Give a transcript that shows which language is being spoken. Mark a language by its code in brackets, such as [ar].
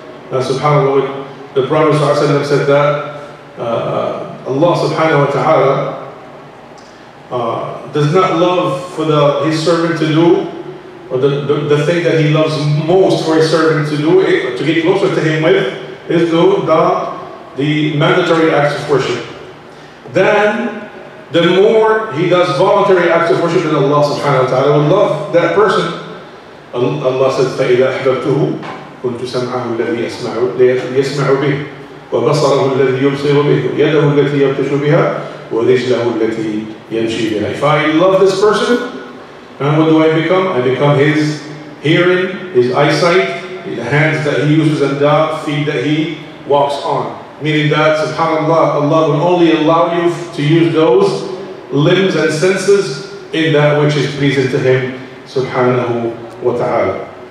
[en] Subhanallah, the Prophet sallallahu alayhi wa sallam said that Allah subhanahu wa ta'ala does not love for His servant to do, or the thing that He loves most for His servant to do, to get closer to Him with, is to the mandatory acts of worship. Then the more he does voluntary acts of worship, then Allah subhanahu wa ta'ala will love that person. Allah says, [ar] فَإِذَا أَحْبَبْتُهُ كُنْتُ سَمْعَهُ الَّذِي يَسْمَعُ بِهِ وَبَصَرَهُ الَّذِي يُبْصِرُ بِهِ وَيَدَهُ الَّتِي يَبْتَشُ بِهَا وَرِجْلَهُ الَّتِي يَمْشِي بِهَا. [en] If I love this person, then what do I become? I become his hearing, his eyesight, the hands that he uses and the feet that he walks on. Meaning that, subhanAllah, Allah will only allow you to use those limbs and senses in that which is pleasing to him, subhanahu wa ta'ala.